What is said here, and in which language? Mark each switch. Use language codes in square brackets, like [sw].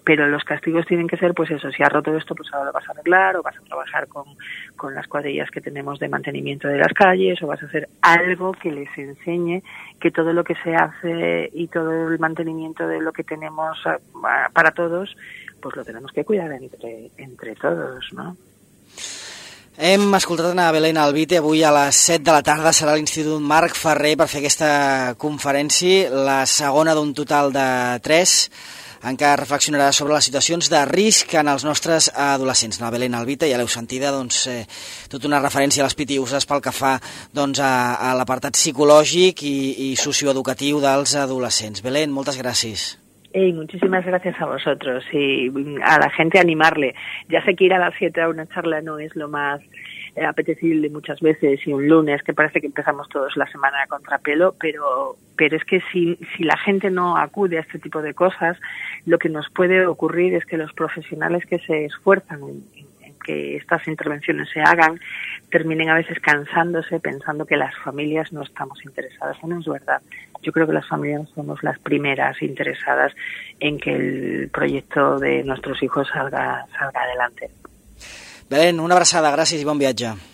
[es] Pero los castigos tienen que ser, pues eso, si has roto esto, pues ahora lo vas a arreglar, o vas a trabajar con las cuadrillas que tenemos de mantenimiento de las calles, o vas a hacer algo que les enseñe que todo lo que se hace y todo el mantenimiento de lo que tenemos para todos, pues lo tenemos que cuidar entre todos, ¿no? [ca] Hem escoltat a Belén Albite, avui a les 7 de la tarda serà l'Institut Marc Ferrer per fer aquesta conferència, la segona d'un total de 3, en què reflexionarà sobre les situacions de risc en els nostres adolescents. La Belén Albite, ja l'heu sentida, doncs, tota una referència a les pitiuses pel que fa doncs, a l'apartat psicològic i socioeducatiu dels adolescents. Belén, moltes gràcies. [es] Hey, muchísimas gracias a vosotros y a la gente animarle. Ya sé que ir a las 7 a una charla no es lo más apetecible muchas veces y un lunes que parece que empezamos todos la semana a contrapelo, pero es que si la gente no acude a este tipo de cosas, lo que nos puede ocurrir es que los profesionales que se esfuerzan en que estas intervenciones se hagan terminen a veces cansándose pensando que las familias no estamos interesadas. No es verdad. Yo creo que las familias somos las primeras interesadas en que el proyecto de nuestros hijos salga adelante. [ca] Belén, una abraçada, gràcies i bon viatge.